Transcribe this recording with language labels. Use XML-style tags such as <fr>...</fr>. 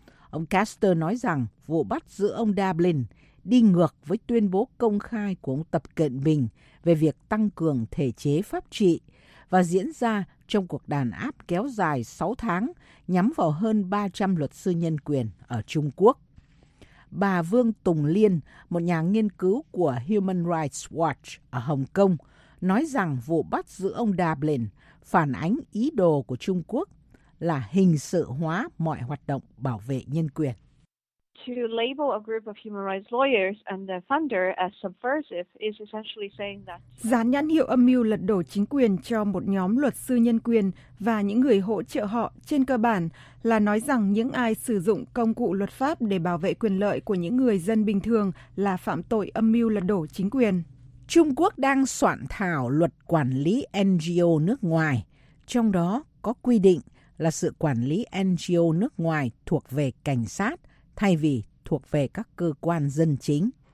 <vi>Ông Caster nói rằng vụ bắt giữ ông Dublin đi ngược với tuyên bố công khai của ông Tập Cận Bình về việc tăng cường thể chế pháp trị và diễn ra trong cuộc đàn áp kéo dài 6 tháng nhắm vào hơn 300 luật sư nhân quyền ở Trung Quốc. Bà Vương Tùng Liên, một nhà nghiên cứu của Human Rights Watch ở Hồng Kông, nói rằng vụ bắt giữ ông Dublin phản ánh ý đồ của Trung Quốc là hình sự hóa mọi hoạt động bảo vệ nhân quyền.</vi> <en>To label a group of human rights lawyers and their funder as subversive is essentially saying that.</en> <vi>Dán nhãn hiệu âm mưu lật đổ chính quyền cho một nhóm luật sư nhân quyền và những người hỗ trợ họ trên cơ bản là nói rằng những ai sử dụng công cụ luật pháp để bảo vệ quyền lợi của những người dân bình thường là phạm tội âm mưu lật đổ chính quyền. Trung Quốc đang soạn thảo luật quản lý NGO nước ngoài, trong đó có quy định là sự quản lý NGO nước ngoài thuộc về cảnh sát thay vì thuộc về các cơ quan dân chính.</vi>